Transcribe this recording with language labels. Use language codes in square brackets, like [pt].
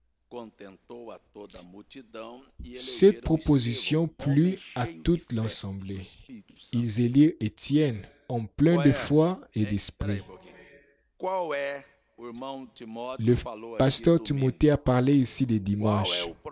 [pt] contentou a toda a multidão [fr] e cette proposition plut à toute l'assemblée. Ils élirent Étienne, en plein de foi et d'esprit. [pt] Qual é, o irmão Timóteo falou aqui, [fr] pasteur Timothée a parlé ici de dimanche.